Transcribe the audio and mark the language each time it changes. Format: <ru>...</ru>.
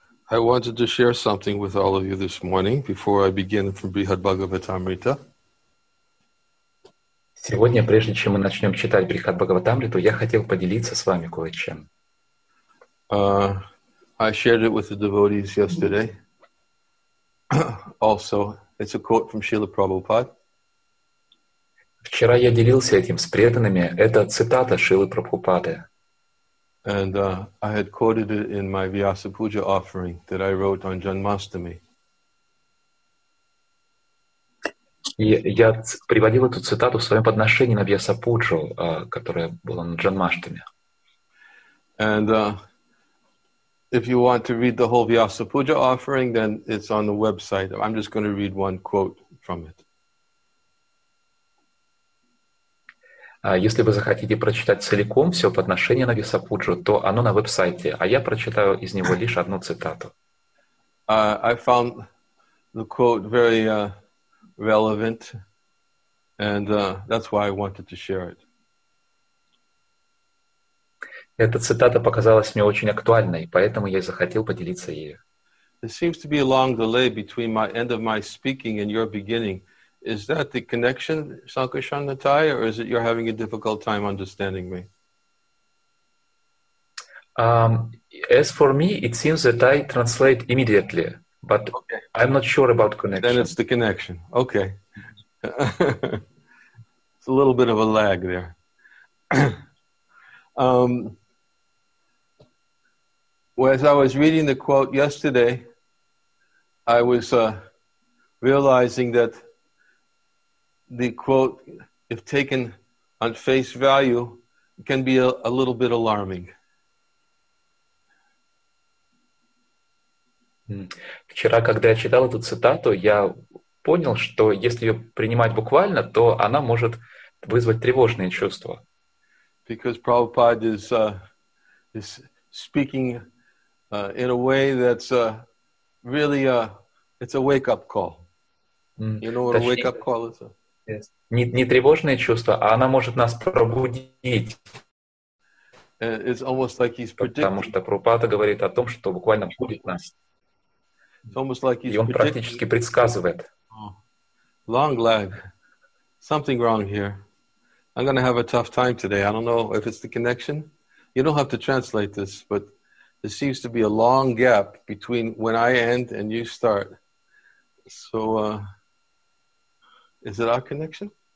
<en>I wanted to share something with all of you this morning before I begin from Brihad Bhagavatamrita.</en> <ru>Сегодня, прежде чем мы начнем читать Брихад Бхагаватамриту, я хотел поделиться с вами кое-чем.</ru> <en>I shared it with the devotees yesterday. Also, it's a quote from Srila Prabhupada.</en> <ru>Вчера я делился этим с преданными. Это цитата Шилы Прабхупады.</ru> <en>And I had quoted it in my Vyasa Puja offering that I wrote on Janmashtami.</en> <ru>И я приводил эту цитату в своем подношении на Вьяса Пуджу, которая была на Джанмаштами.</ru> <en>And if you want to read the whole Vyasa Puja offering, then it's on the website. I'm just going to read one quote from it.</en> <ru>Если вы захотите прочитать целиком все подношение на Висапуджу, то оно на веб-сайте, а я прочитаю из него лишь одну цитату.</ru> <en>I found the quote very relevant, and that's why I wanted to share it.</en> <ru>Эта цитата показалась мне очень актуальной, поэтому я и захотел поделиться ею.</ru> <en>There seems to be a long delay between my end of my speaking and your beginning. Is that the connection, Sankarshan Natai, or is it you're having a difficult time understanding me? As for me, it seems that I translate immediately, but okay. I'm not sure about connection. Then it's the connection. Okay. It's a little bit of a lag there. As I was reading the quote yesterday, I was realizing that the quote, if taken on face value, can be a little bit alarming.</en> <ru>Вчера, когда я читал эту цитату, я понял, что если ее принимать буквально, то она может вызвать тревожные чувства.</ru> <en>Because Prabhupada is speaking in a way that's really it's a wake-up call. You know what a wake-up call is?</en> <ru>Не тревожное чувство, а она может нас пробудить.</ru> <en>Like</en> <ru>потому что Прабхупада говорит о том, что буквально будет нас.</ru> <en>Like</en> <ru>и он практически предсказывает.</ru> <en>Oh. Long lag. Something wrong here. I'm going to have a tough time today. I don't know if it's the connection. You don't have to translate this, but there seems to be a long gap between when I end and you start. So, is it our connection?</en>